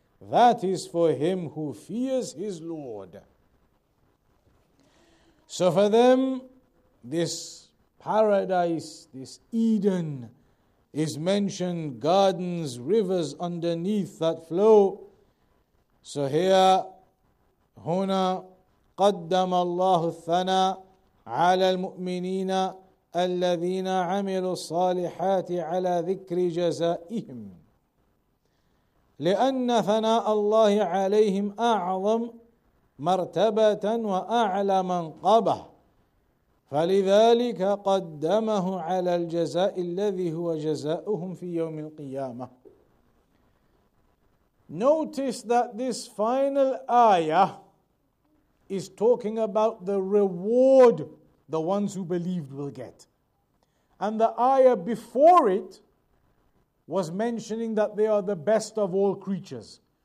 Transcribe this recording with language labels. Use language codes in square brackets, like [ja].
[en] That is for him who fears his Lord. So for them, this paradise, this Eden, is mentioned, gardens, rivers underneath that flow. So here, [ar] هنا قدم الله الثناء على المؤمنين الذين عملوا الصالحات على ذكر جزائهم لأن ثناء الله عليهم أعظم مرتبة وأعلى منقبة فلذلك قدمه على الجزاء الذي هو جزاؤهم في يوم القيامة. [en] Notice that this final ayah is talking about the reward the ones who believed will get. And the ayah before it was mentioning that they are the best of all creatures.